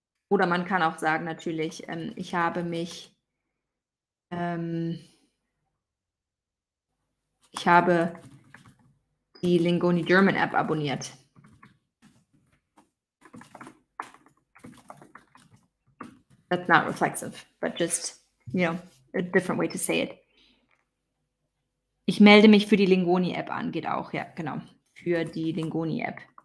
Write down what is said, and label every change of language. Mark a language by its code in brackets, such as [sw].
[de] Oder man kann auch sagen natürlich, ich habe die Lingoni German App abonniert. [en] That's not reflexive, but just, you know, a different way to say it. [de] Ich melde mich für die Lingoni-App an, geht auch, ja, genau, für die Lingoni-App.